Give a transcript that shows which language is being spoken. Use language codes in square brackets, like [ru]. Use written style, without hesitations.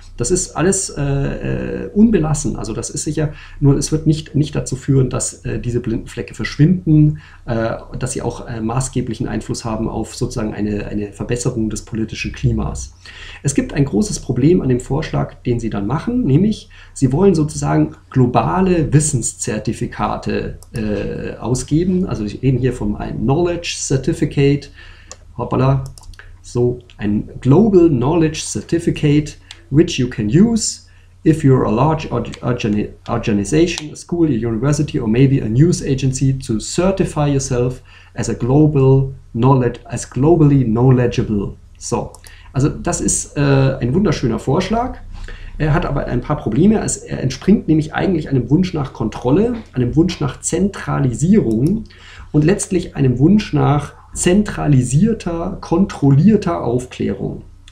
[de] Das ist alles unbelassen. Also das ist sicher, nur es wird nicht dazu führen, dass diese blinden Flecke verschwinden, dass sie auch maßgeblichen Einfluss haben auf sozusagen eine Verbesserung des politischen Klimas. Es gibt ein großes Problem an dem Vorschlag, den sie dann machen, nämlich sie wollen sozusagen globale Wissenszertifikate ausgeben. Also ich rede hier von einem Knowledge Certificate. Hoppala, so ein [en] Global Knowledge Certificate, which you can use if you're a large organization, a school, a university, or maybe a news agency to certify yourself as a global knowledge, as globally knowledgeable. [de] So, also das ist ein wunderschöner Vorschlag. Er hat aber ein paar Probleme. Er entspringt nämlich eigentlich einem Wunsch nach Kontrolle, einem Wunsch nach Zentralisierung und letztlich einem Wunsch nach zentralisierter, kontrollierter Aufklärung.